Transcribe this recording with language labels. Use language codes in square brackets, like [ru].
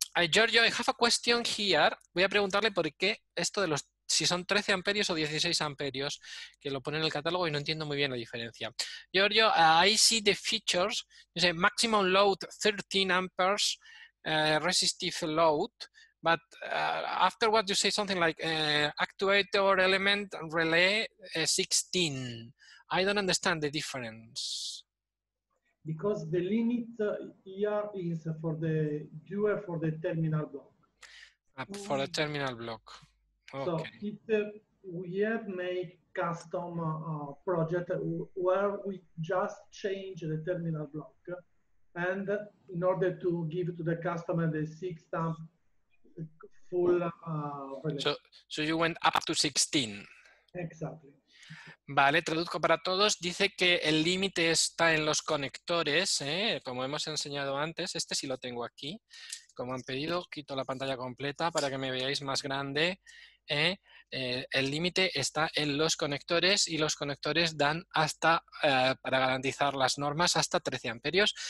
[en] Giorgio, I have a question here. [es] Voy a preguntarle por qué esto de los, si son 13 amperios o 16 amperios, que lo pone en el catálogo y no entiendo muy bien la diferencia. [en] Giorgio, I see the features. You say maximum load 13 amperes, resistive load. But after what you say something like actuator element relay 16. I don't understand the difference. Because the limit here is for the dual for the terminal block. For the terminal block. Okay. So if we have made custom project where we just change the terminal block, and in order to give to the customer the 6 amp full relay. So you went up to 16. Exactly. [es] Vale, traduzco para todos. Dice que el límite está en los conectores, ¿eh? Como hemos enseñado antes. Este sí lo tengo aquí. Como han pedido, quito la pantalla completa para que me veáis más grande, ¿eh? El límite está en los conectores y los conectores dan hasta, para garantizar las normas, hasta 13 amperios.